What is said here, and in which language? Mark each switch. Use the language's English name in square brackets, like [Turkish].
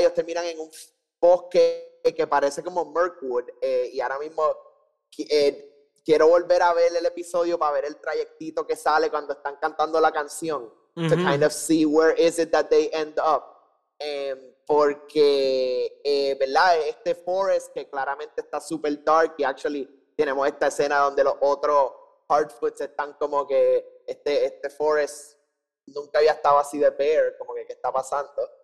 [Spanish] Ellos terminan en un bosque que parece como Mirkwood. Y ahora mismo... quiero volver a ver el episodio para ver el trayectito que sale cuando están cantando la canción. [English] to kind of see where is it that they end up. [Spanish] Porque, ¿verdad? Este Forest, que claramente está [English] super dark, [Spanish] y [English] actually [Spanish] tenemos esta escena donde los otros Hardfoots están como que este Forest nunca había estado así de [English] bear, [Spanish] como que ¿qué está pasando?